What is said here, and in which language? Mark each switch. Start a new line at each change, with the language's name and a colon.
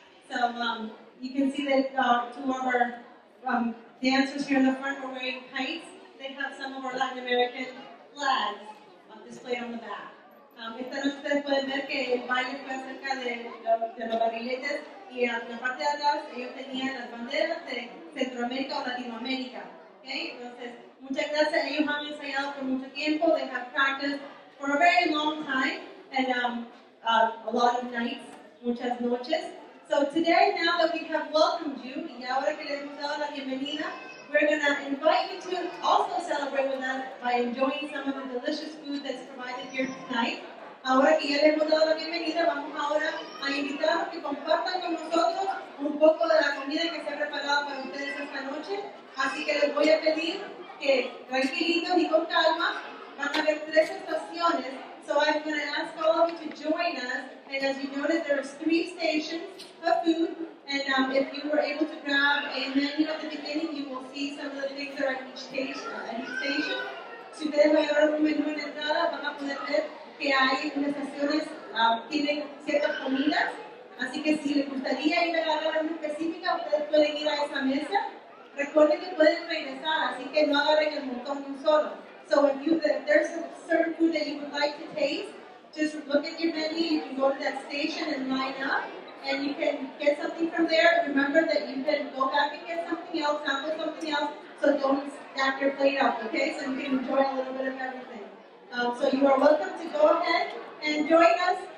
English: So you can see that two of our dancers here in the front are wearing kites. They have some of our Latin American flags displayed on the back.
Spanish: Esta noche ustedes pueden ver que el baile fue acerca de los barriletes y en la parte de atrás ellos tenían las banderas de Centroamérica o Latinoamérica. Okay? Entonces, muchas gracias. Ellos han ensayado por mucho tiempo.
English: They have practiced for a very long time and a lot of nights,
Spanish: muchas noches.
English: So today, now that we have welcomed you,
Spanish: y ahora que les hemos dado la bienvenida,
English: we're going to invite you to also celebrate with us by enjoying some of the delicious food that's provided here tonight.
Spanish: Ahora que ya les hemos dado la bienvenida, vamos ahora a invitarlos que compartan con nosotros un poco de la comida que se ha preparado para ustedes esta noche. Así que les voy a pedir que tranquilitos y con calma, van a haber tres estaciones.
English: So I'm going to ask all of you to join us. And as you noted, there are three stations of food. And if you were able to grab a menu at the beginning, you will see some of the things that are at each station.
Spanish: Si ustedes agarran un menú en entrada, van a poder ver que hay unas estaciones tienen ciertas comidas. Así que si les gustaría ir a agarrar una específica, ustedes pueden ir a esa mesa. Recuerden que pueden regresar, así que no agarren el montón de un solo.
English: So if there's a certain food that you would like to taste, just look at your menu, you can go to that station and line up, and you can get something from there. Remember that you can go back and get something else, sample something else, so don't stack your plate up, okay? So you can enjoy a little bit of everything. So you are welcome to go ahead and join us.